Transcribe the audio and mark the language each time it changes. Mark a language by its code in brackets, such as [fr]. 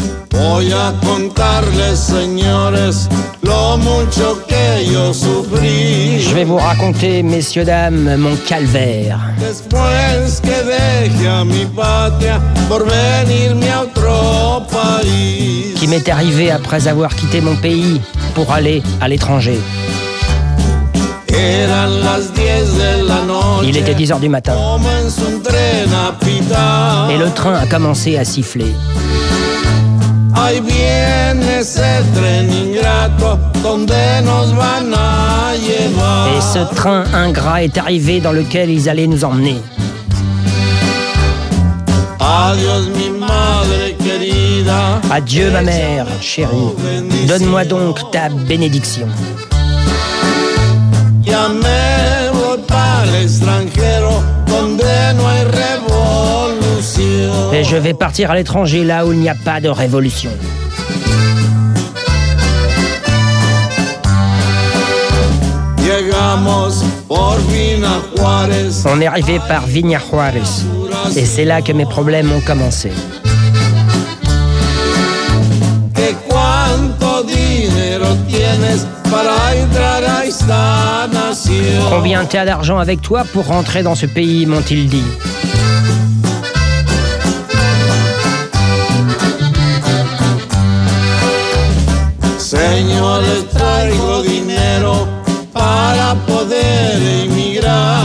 [es] Voy a contarles, señores, lo mucho que yo sufrí. [fr] Je vais vous raconter, messieurs, dames, mon calvaire. [es] Después que dejé a mi patria por venirme a otro país. [fr] Qui m'est arrivé après avoir quitté mon pays pour aller à l'étranger. [es] Eran las 10 de la noche. [fr] Il était 10h du matin. [es] Comenzó un tren a pitar. [fr] Et le train a commencé à siffler. [es] Ahí viene ese tren ingrato, donde nos van a llevar. [fr] Et ce train ingrat est arrivé dans lequel ils allaient nous emmener. [es] Adios, mi madre querida. [fr] Adieu, ma mère chérie. Donne-moi donc ta bénédiction. [es] Ya me voy para el extranjero, donde no hay revolución. [fr] Et je vais partir à l'étranger, là où il n'y a pas de révolution. [es] Llegamos por Vina Juárez. [fr] On est arrivé par Vina Juárez. Et c'est là que mes problèmes ont commencé. [es] Que cuánto dinero tienes para entrar a esta nación. [fr] Combien tu as d'argent avec toi pour rentrer dans ce pays, m'ont-ils dit. [es] Señor, le traigo dinero para poder emigrar.